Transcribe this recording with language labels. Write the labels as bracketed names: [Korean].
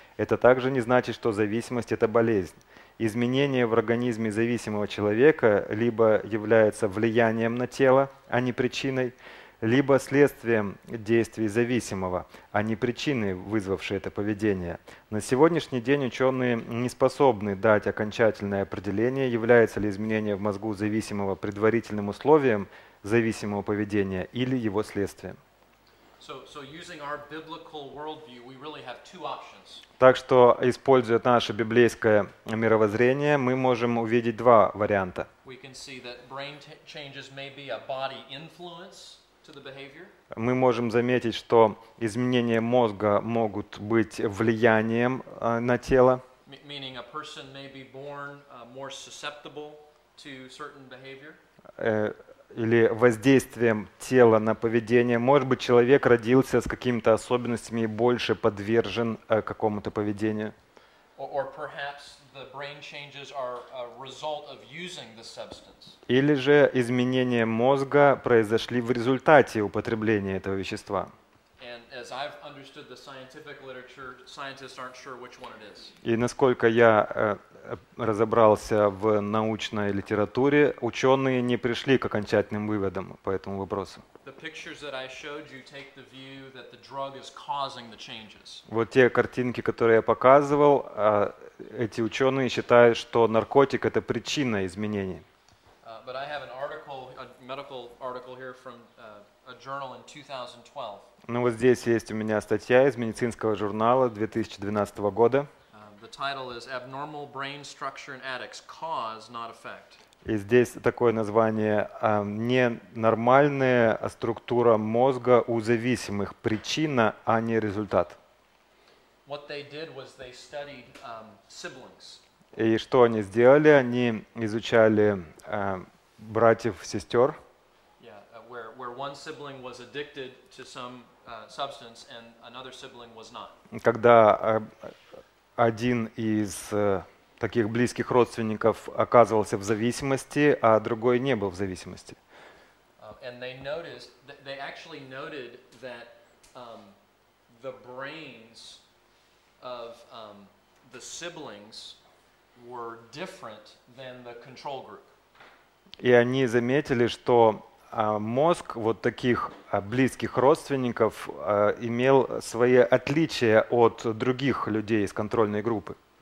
[Russian] Это также не значит, что зависимость — это болезнь. Изменение в организме зависимого человека либо является влиянием на тело, а не причиной, либо следствием действий зависимого, а не причиной, вызвавшей это поведение. На сегодняшний день ученые не способны дать окончательное определение, является ли изменение в мозгу зависимого предварительным условием зависимого поведения или его следствия. [English] So using our biblical worldview, we really have two options. [Russian] Так что, используя наше библейское мировоззрение, мы можем увидеть два варианта. [English] We can see that brain changes may be a body influence. [Russian] Мы можем заметить, что изменения мозга могут быть влиянием на тело. Или воздействием тела на поведение. Может быть, человек родился с какими-то особенностями и больше подвержен какому-то поведению. [English] Or perhaps the brain changes are a result of using the substance. [Russian] Или же изменения мозга произошли в результате употребления этого вещества. [English] And as I've understood the scientific literature, scientists aren't sure which one it is. [Russian] И насколько я разобрался в научной литературе, ученые не пришли к окончательным выводам по этому вопросу. [English] The pictures that I showed you take the view that the drug is causing the changes. [Russian] Вот те картинки, которые я показывал, эти ученые считают, что наркотик — это причина изменений. [English] But I have an article, a medical article here from a journal in 2012. [Russian] Ну вот здесь есть у меня статья из медицинского журнала 2012 года. [English] The title is Abnormal Brain Structure in Addicts: Cause, Not Effect. [Russian] И здесь такое название: ненормальная структура мозга у зависимых, причина, а не результат. [English] What they did was they studied siblings. [Russian] И что они сделали? Они изучали братьев, сестер. [English] Yeah, where one sibling was addicted to some substance and another sibling was not. [Russian] Когда один из таких близких родственников оказывался в зависимости, а другой не был в зависимости. [English] And they noticed, they actually noted that the brains of the siblings were different than the control group. [Russian] И они заметили, что мозг вот таких близких родственников имел свои отличия от других людей из контрольной группы.